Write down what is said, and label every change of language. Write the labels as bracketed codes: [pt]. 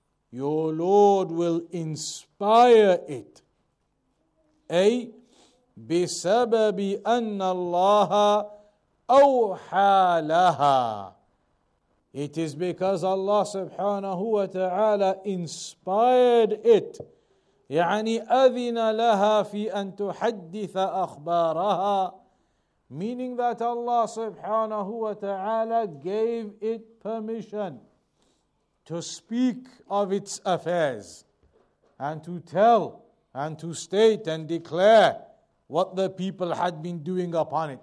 [en] Your Lord will inspire it. A. [ar] بِسَبَبِ أَنَّ اللَّهَ أَوْحَى لَهَا. [en] It is because Allah subhanahu wa ta'ala inspired it. [ar] يعني أذن لها في أن تحدث أخبارها. [en] Meaning that Allah subhanahu wa ta'ala gave it permission to speak of its affairs and to tell and to state and declare what the people had been doing upon it.